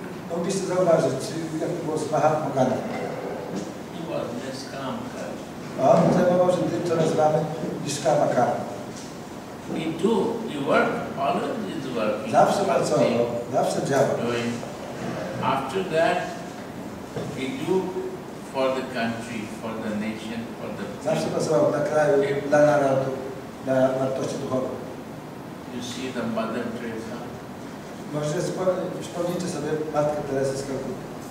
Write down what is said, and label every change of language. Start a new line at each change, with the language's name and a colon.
Polish: No, byś to zauważył, czy jak było z Mahatma Gandhi.
English: He was niskama karma.
Polish: On zajmował się tym, co nazywamy niskama karma.
English: We do, we work, always is working.
Polish: Zawsze pracował, zawsze działał.
English: After that, we do for the country, for the nation, for the people.
Polish: Zawsze pracował dla kraju, dla narodu, dla wartości duchowej.
English: You see the Mother Teresa.
Polish: Może przypomnijcie sobie Matkę Teresę z Kalkuty.